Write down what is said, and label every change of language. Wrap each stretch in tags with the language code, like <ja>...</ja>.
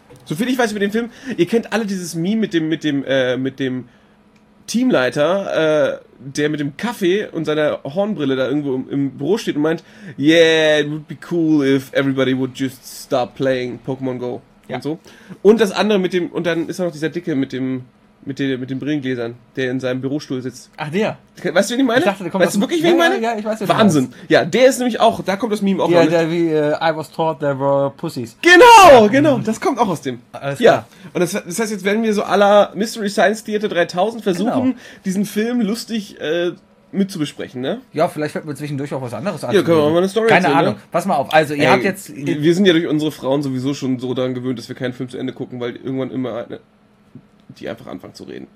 <de>So viel ich weiß über den Film, ihr kennt alle dieses Meme mit dem Teamleiter, der mit dem Kaffee und seiner Hornbrille da irgendwo im Büro steht und meint,</de> <en>yeah, it would be cool if everybody would just start playing Pokémon Go.</en> <de>Ja. Und so. Und das andere mit dem, und dann ist da noch dieser Dicke mit den Brillengläsern, der in seinem Bürostuhl sitzt. Ach, der. Weißt du, wen ich meine? Ich dachte, der kommt weißt du wirklich, wen ich meine? Ja, ich weiß, Wahnsinn. Du ja, der ist nämlich auch, da kommt das Meme auch noch. Ja, der wie,</de> <en>I was taught there were pussies.</en> <de>Genau, das kommt auch aus dem. Alles ja, klar. Und das heißt, jetzt werden wir so à la Mystery Science Theater 3000 versuchen, genau, diesen Film lustig mitzubesprechen, ne? Ja, vielleicht fällt mir zwischendurch auch was anderes an. Ja, können wir mal eine Story erzählen. Keine Ahnung, ne? Pass mal auf. Also, ihr habt jetzt... Wir sind ja durch unsere Frauen sowieso schon so daran gewöhnt, dass wir keinen Film zu Ende gucken, weil irgendwann immer eine... die einfach anfangen zu reden.</de>